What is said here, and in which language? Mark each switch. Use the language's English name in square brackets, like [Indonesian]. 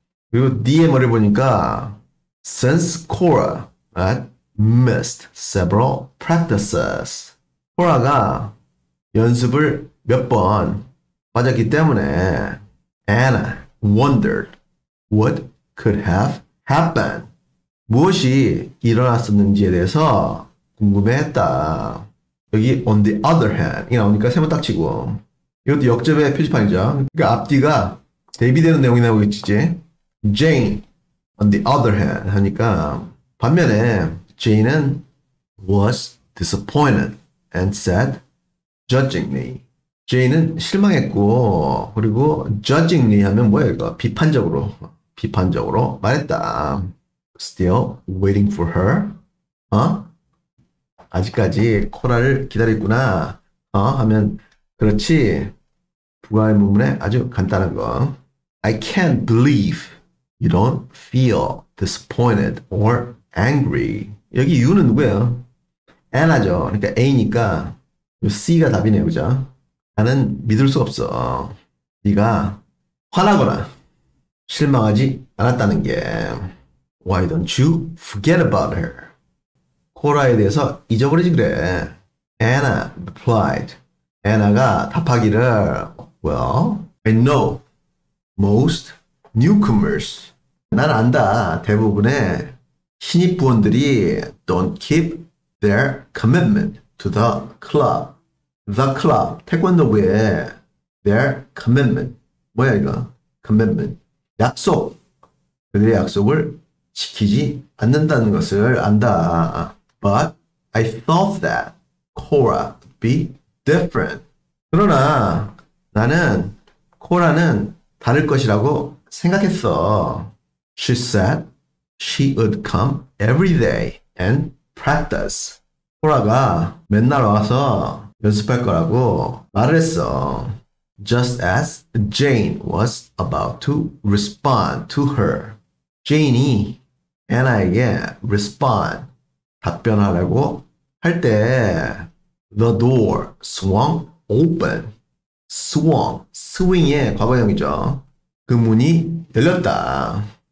[Korean] 그리고 뒤에 머리를 보니까 [English] since Cora had missed several practices, [Korean] 코라가 연습을 몇 번 빠졌기 때문에 [English] Anna wondered what could have happened. [Korean] 무엇이 일어났었는지에 대해서 궁금해했다. 여기 [English] on the other hand [Korean] 이게 나오니까 세번 딱 치고 이것도 역접의 표지판이죠. 그러니까 앞뒤가 대비되는 내용이 나오겠지. [English] Jane on the other hand [Korean] 하니까 반면에 Jane은 [English] was disappointed and said judging me. [Korean] Jane은 실망했고 그리고 [English] judging me [Korean] 하면 뭐예요 이거? 비판적으로 말했다. [English] Still waiting for her? 어? [Korean] 아직까지 코라를 기다렸구나. 어? 하면 그렇지. 부가의 문문에 아주 간단한 거. [English] I can't believe you don't feel disappointed or angry. [Korean] 여기 U는 누구예요? Anna죠. 그러니까 A니까 C가 답이네요. 그죠? 나는 믿을 수 없어. 네가 화나거나 실망하지 않았다는 게. [English] Why don't you forget about her? [Korean] 코라에 대해서 잊어버리지 그래. [English] Anna replied. [Korean] Anna가 답하기를 [English] Well, I know most newcomers. [Korean] 난 안다. 대부분의 신입 부원들이 [English] don't keep their commitment to the club. The club, [Korean] 태권도부의 [English] their commitment. [Korean] 뭐야 이거? [English] Commitment. [Korean] 약속. 그들의 약속을 지키지 않는다는 것을 안다. [English] But I thought that Cora would be different. [Korean] 그러나 나는 코라는 다를 것이라고 생각했어. [English] She said she would come every day and practice. [Korean] 코라가 맨날 와서 연습할 거라고 말을 했어. [English] Just as Jane was about to respond to her. [Korean] Jane이 Anna에게 respond, 답변하려고 할 때 [English] the door swung open. [Korean] Swung, swing의 과거형이죠. 그 문이 열렸다.